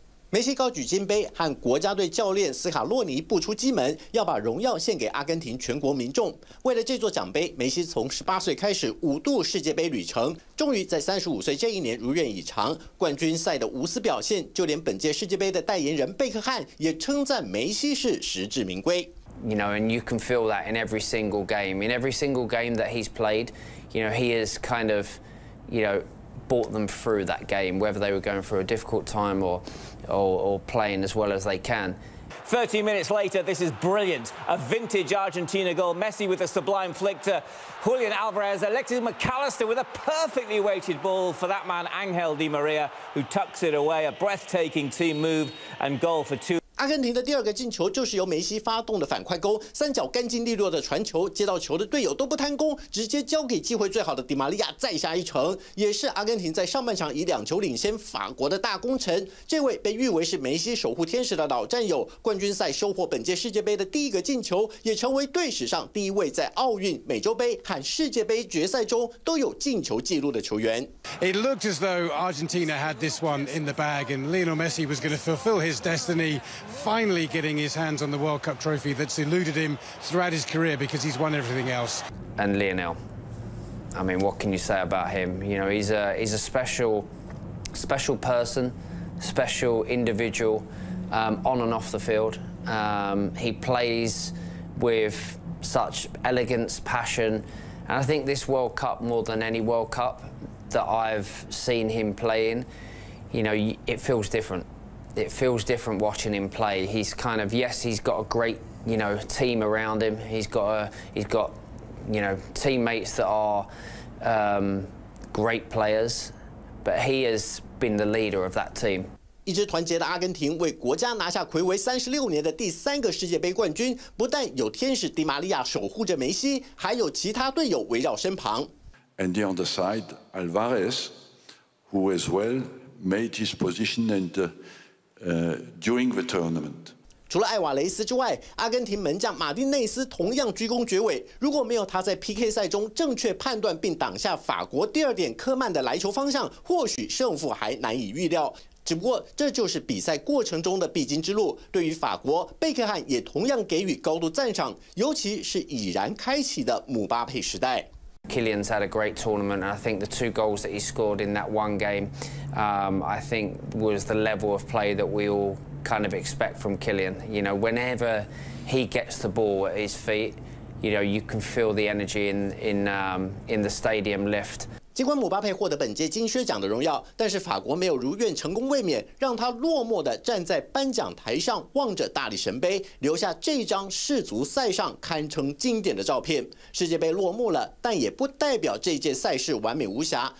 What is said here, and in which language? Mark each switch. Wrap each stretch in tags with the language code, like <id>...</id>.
<zh>梅西高举金杯，和国家队教练斯卡洛尼步出机门，要把荣耀献给阿根廷全国民众。为了这座奖杯，梅西从18岁开始5度世界杯旅程，终于在35岁这一年如愿以偿。冠军赛的无私表现，就连本届世界杯的代言人贝克汉也称赞梅西是实至名归。</zh> <en>You know, and you can feel that in every single game. In every single game that he's played, you know, he is kind of, you know, brought them through that game, whether they were going through a difficult time or playing as well as they can. 30 minutes later, this is brilliant. A vintage Argentina goal. Messi with a sublime flick to Julian Alvarez. Alexis McAllister with a perfectly weighted ball for that man, Angel Di Maria, who tucks it away. A breathtaking team move and goal for two.</en> <zh>阿根廷的第二个进球就是由梅西发动的反快攻，三脚干净利落的传球，接到球的队友都不贪功，直接交给机会最好的迪玛利亚再下一城，也是阿根廷在上半场以2球领先法国的大功臣。这位被誉为是梅西守护天使的老战友，冠军赛收获本届世界杯的第一个进球，也成为队史上第一位在奥运、美洲杯和世界杯决赛中都有进球记录的球员。</zh> <en>It looked as though Argentina had this one in the bag, and Lionel Messi was going to fulfill his destiny. Finally getting his hands on the World Cup trophy that's eluded him throughout his career because he's won everything else. And Lionel, I mean, what can you say about him? You know, he's a special person, special individual, on and off the field. He plays with such elegance, passion, and I think this World Cup, more than any World Cup that I've seen him play in, you know, it feels different. It feels different watching him play. He's kind of, yes, he's got a great, you know, team around him. He's got, you know, teammates that are great players, but he has been the leader of that team.</en> <zh>一支团结的阿根廷为国家拿下暌违36年的第三个世界杯冠军，不但有天使迪玛利亚守护着梅西，还有其他队友围绕身旁。</zh> <en>And on the side, Alvarez, who as well made his position and. During the tournament,</en> <zh>除了艾瓦雷斯之外，阿根廷门将马丁内斯同样鞠躬绝尾。如果没有他在 PK 赛中正确判断并挡下法国第二点科曼的来球方向，或许胜负还难以预料。只不过这就是比赛过程中的必经之路。对于法国，贝克汉也同样给予高度赞赏，尤其是已然开启的姆巴佩时代。</zh> <en>Kylian's had a great tournament, and I think the 2 goals that he scored in that one game, I think was the level of play that we all kind of expect from Kylian. You know, whenever he gets the ball at his feet, you know, you can feel the energy in the stadium lift.</en> <zh>尽管姆巴佩获得本届金靴奖的荣耀，但是法国没有如愿成功卫冕，让他落寞地站在颁奖台上望着大力神杯，留下这张世足赛上堪称经典的照片。世界杯落幕了，但也不代表这届赛事完美无瑕。</zh>